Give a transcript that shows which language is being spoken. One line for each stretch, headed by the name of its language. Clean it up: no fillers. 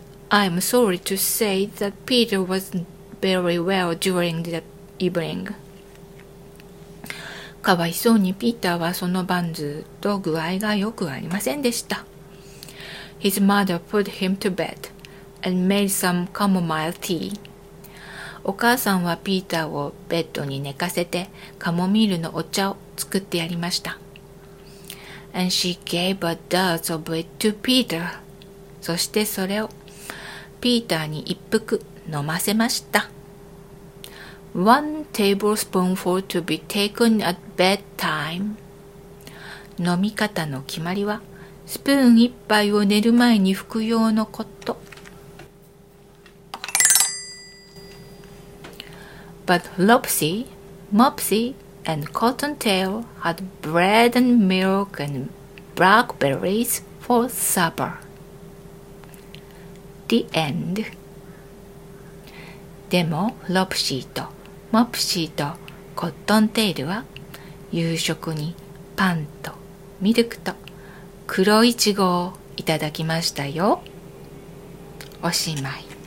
English: I'm sorry to say that Peter wasn't very well during the evening.
Japanese: かわいそうにピーターはその晩ずっと具合が良くありませんでした。
English: His mother put him to bed and made some chamomile tea.
Japanese: お母さんはピーターをベッドに寝かせてカモミールのお茶を作ってやりました。
English: And she gave a dose of it to Peter.
Japanese: そしてそれをピーターに一服飲ませました。
English: One tablespoonful to be taken at bedtime.
Japanese: 飲み方の決まりは、スプーン一杯を寝る前に服用のこと。
English: But Lopsy, Mopsy, and Cottontail had bread and milk and blackberries for supper. The end.
Japanese: でも、ロプシーとモプシーとコットンテールは夕食にパンとミルクと黒いちごをいただきましたよ。おしまい。